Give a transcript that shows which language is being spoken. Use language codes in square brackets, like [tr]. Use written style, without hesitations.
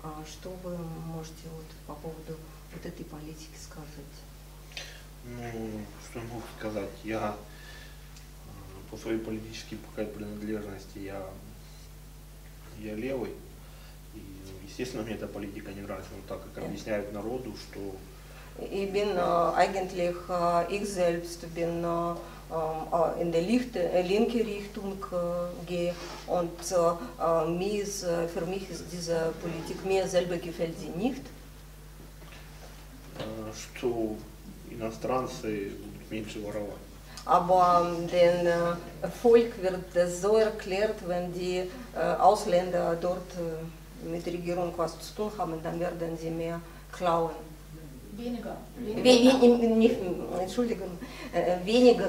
[ru] Что вы можете вот по поводу вот этой политики сказать? Ну, что я могу сказать? Я по своей политической пока принадлежности я левый. И, естественно, мне эта политика не нравится, но так как объясняют народу, что... [de] Ich bin eigentlich, ich selbst bin in der linke Richtung gehe und für mich ist diese Politik, mir selber gefällt sie nicht. [ru] Что иностранцы будут меньше воровать. [de] Aber den Volk wird das so erklärt, wenn die Ausländer dort mit Regierung was zu tun haben, dann werden sie mehr klauen. Weniger